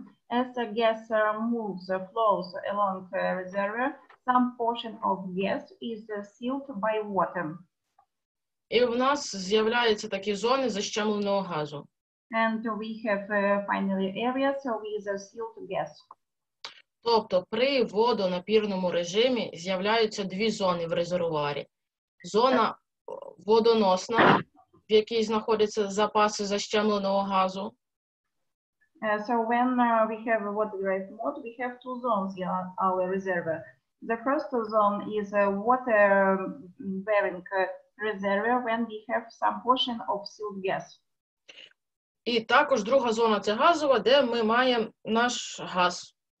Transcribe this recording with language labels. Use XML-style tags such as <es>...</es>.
<en>As the gas moves, flows along the reservoir, some portion of gas is sealed by water.</en> <uk>І в нас з'являються такі зони защемленого газу.</uk> <en>And we have finally areas with a sealed gas.</en> <uk>Тобто при водонапірному режимі з'являються дві зони в резервуарі. Зона водоносна, в якій знаходяться запаси защемленого газу.</uk> <en>So when we have a water drive mode, we have two zones in our reservoir. The first zone is a water bearing reservoir when we have some portion of sealed gas.</en> <uk>І також друга зона – це газова, де ми маємо наш газ.</uk>